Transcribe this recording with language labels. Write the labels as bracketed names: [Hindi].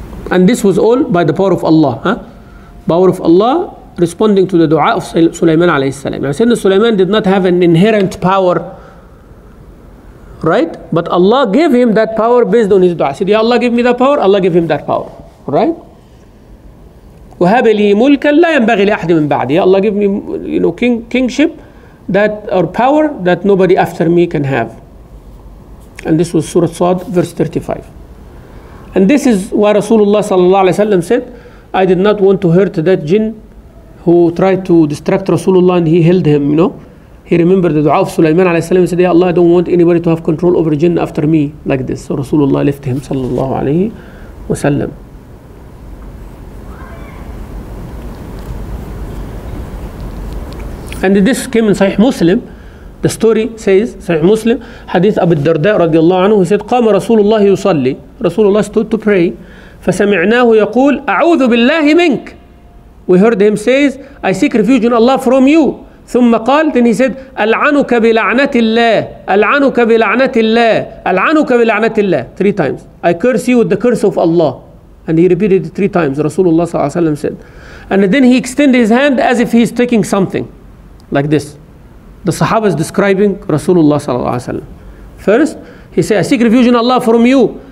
[English] And this was all by the power of Allah. Huh? Power of Allah responding to the dua of Sulaiman alayhi salam. Now, Sayyidina Sulaiman did not have an inherent power, right? But Allah gave him that power based on his dua. He said, Ya Allah, give me that power. Allah gave him that power, right? [Arabic] وهب لي ملكا لا ينبغي لأحد من بعدي. [English] Allah give me, you know, kingship that or power that nobody after me can have. And this was Surah Sad, verse 35. And this is why Rasulullah sallallahu alayhi wasallam said, I did not want to hurt that jinn who tried to distract Rasulullah, and he held him. You know, he remembered the dua of Sulaiman alayhi wasallam and said, Ya Allah, I don't want anybody to have control over jinn after me like this. So Rasulullah left him sallallahu alayhi wasallam. And this came in Sahih Muslim. The story says, Sahih Muslim, Hadith Abu Darda radiallahu anhu, he said, [Arabic] قام رسول الله يصلي. [English] Rasulullah stood to pray. [Arabic] فسمعناه يقول, أعوذ بالله منك. [English] We heard him says, I seek refuge in Allah from you. [Arabic] ثم قال, [English] then he said, [Arabic] ألعنك بلعنة الله. ألعنك بلعنة الله. ألعنك بلعنة الله. [English] Three times. I curse you with the curse of Allah. And he repeated it three times, Rasulullah [Arabic] صلى الله عليه وسلم [English] said. And then he extended his hand as if he's taking something. Like this. The Sahaba is describing Rasulullah sallallahu alayhi wa sallam. First, he said, I seek refuge in Allah from you.